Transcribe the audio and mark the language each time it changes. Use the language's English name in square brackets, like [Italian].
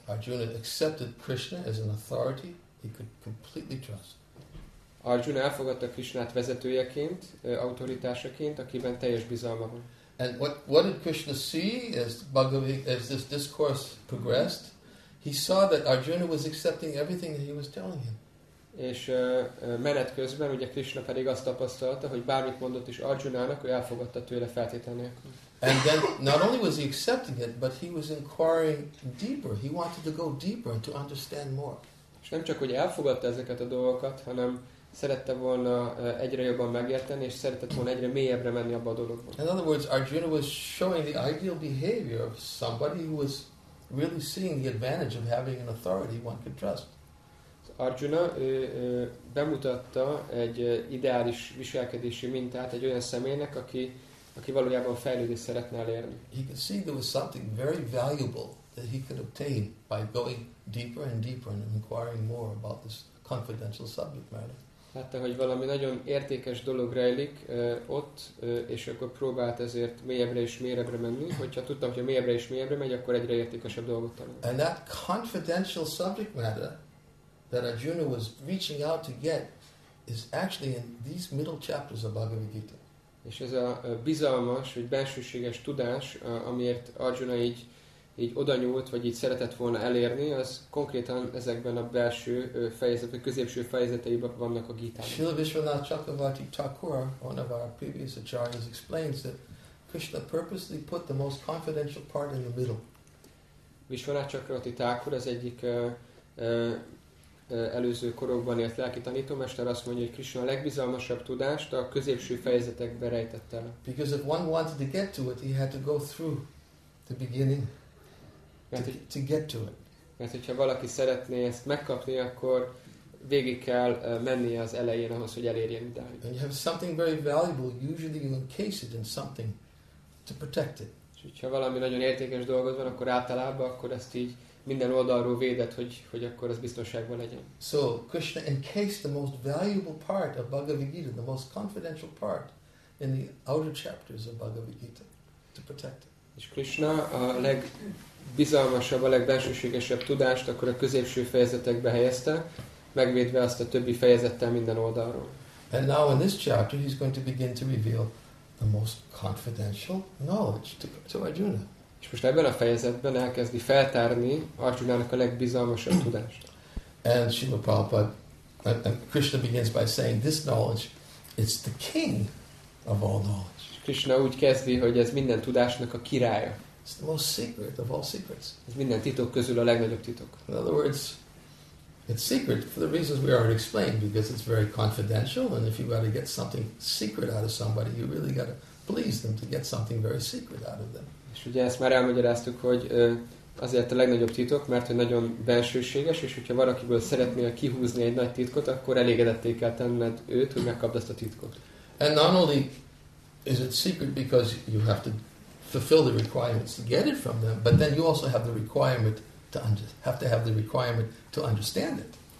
[English] Arjuna accepted Krishna as an authority he could completely trust. [Hungarian] Arjuna elfogadta Krishnát vezetőjeként, autoritásaként, akiben teljes bizalma van. [English] And what did Krishna see as this discourse progressed? He saw that Arjuna was accepting everything that he was telling him. [Hungarian] És menet közben ugye Krishna pedig azt tapasztalta, hogy bármit mondott is Arjunának, ő elfogadta tőle feltétel nélkül. [English] And then not only was he accepting it, but he was inquiring deeper. He wanted to go deeper and to understand more. [Hungarian] És nem csak hogy elfogadta ezeket a dolgokat, hanem szerette volna egyre jobban megérteni, és szeretett volna egyre mélyebbre menni abba a dologba. [English] In other words, Arjuna was showing the ideal behavior of somebody who was really seeing the advantage of having an authority one could trust. [Hungarian] Arjuna bemutatta egy ideális viselkedési mintát egy olyan személynek, aki valójában fejlődést szeretne elérni. [English] He could see there was something very valuable that he could obtain by going deeper and deeper and inquiring more about this confidential subject matter. [Hungarian] Látta, hogy valami nagyon értékes dolog rejlik ott, és akkor próbált ezért mélyebbre és mélyebbre menni, hogyha tudtam, hogy mélyebbre és mélyebbre megy, akkor egyre értékesebb dolgot tanul. [English] And that confidential subject matter that Arjuna was reaching out to get is actually in these middle chapters of Bhagavad Gita. [Hungarian] És ez a bizalmas, vagy bensőséges tudás, amiért Arjuna így oda nyúlt, vagy így szeretett volna elérni, az konkrétan ezekben a belső fejezet, vagy középső fejezeteiben vannak a Gítában. [English] Srila Vishwanath Chakravarti Thakur, one of our previous acharyas, explains that Krishna purposely put the most confidential part in the middle. [Hungarian] Vishwanath Chakravarti Thakur az egyik előző korokban élt lelki tanítómester, azt mondja, hogy Krishna a legbizalmasabb tudást a középső fejezetekbe rejtette el. [English] Because if one wanted to get to it, he had to go through the beginning. To get to it. [Hungarian] Mert hogyha valaki szeretné ezt megkapni, akkor végig kell menni az elején ahhoz, hogy elérjen idáig. [English] And you have something very valuable, usually you encase it in something to protect it. [Hungarian] És hogyha valami nagyon értékes dolgod van, akkor általában, akkor ezt így minden oldalról véded, hogy akkor az biztonságban legyen. [English] So Krishna encased the most valuable part of Bhagavad Gita, the most confidential part in the outer chapters of Bhagavad Gita to protect it. [Hungarian] És Krishna a legbizalmasabb, a legbensőségesebb tudást akkor a középső fejezetekbe helyezte, megvédve azt a többi fejezettel minden oldalról. [English] And now in this chapter he's going to begin to reveal the most confidential knowledge to Arjuna. [Hungarian] És most ebben a fejezetben elkezdi feltárni Arjunának a legbizalmasabb tudást. [English] And Srila Prabhupada, and Krishna begins by saying, this knowledge, it's the king of all knowledge. [Hungarian] Krishna úgy kezdi, hogy ez minden tudásnak a királya. [English] It's the most secret of all secrets. [Hungarian] Ez minden titok közül a legnagyobb titok. [English] In other words, it's secret for the reasons we already explained, because it's very confidential, and if you got to get something secret out of somebody, you really got to please them to get something very secret out of them. [Hungarian] És ugye ezt már elmagyaráztuk, hogy azért a legnagyobb titok, mert hogy nagyon bensőséges, és hogyha valakiből szeretnél kihúzni egy nagy titkot, akkor elégedetté kell tenned őt, hogy megkapd azt a titkot. [English] And not only is it secret because you have to fulfill the requirements to get it from them, but then you also have the requirement to understand it.